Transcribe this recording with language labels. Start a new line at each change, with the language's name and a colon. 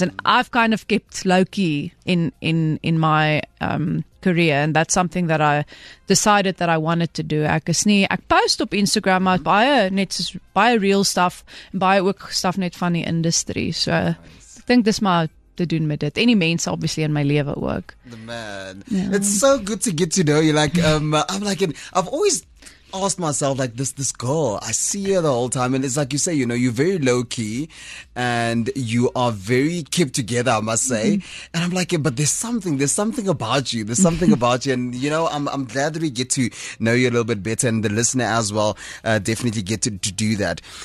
English: And I've kind of kept low key in my career, and that's something that I decided that I wanted to do.
Afrikaans: Ek post op Instagram, maar baie net soos baie
English: real stuff,
Afrikaans: baie ook stuff net van die industrie. So
English: think this might to
Afrikaans: doen met dit. En die mense obviously in my lewe ook.
English: The man. Yeah. It's so good to get to know you. Like, I'm like, I've always asked myself, like, this girl, I see her the whole time. And it's like you say, you know, you're very low key and you are very kept together, I must say. Mm-hmm. And I'm like, yeah, but there's something about you. There's something about you. And, you know, I'm glad that we get to know you a little bit better, and the listener as well, definitely get to do that.